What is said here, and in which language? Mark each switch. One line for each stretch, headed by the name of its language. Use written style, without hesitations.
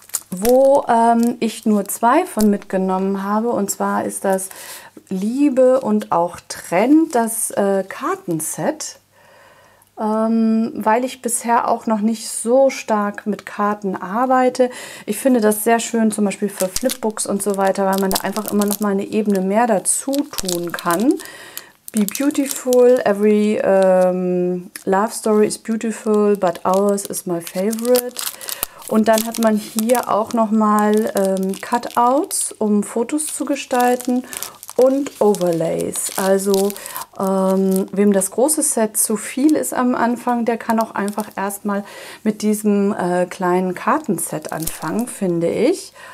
German: Wo ich nur zwei von mitgenommen habe, und zwar ist das Liebe und auch Trend, das Kartenset. Weil ich bisher auch noch nicht so stark mit Karten arbeite. Ich finde das sehr schön, zum Beispiel für Flipbooks und so weiter, weil man da einfach immer noch mal eine Ebene mehr dazu tun kann.
English: Be beautiful, every love story is beautiful, but ours is my favorite.
German: Und dann hat man hier auch noch mal Cutouts, um Fotos zu gestalten. Und Overlays. Also, wem das große Set zu viel ist am Anfang, der kann auch einfach erstmal mit diesem kleinen Kartenset anfangen, finde ich.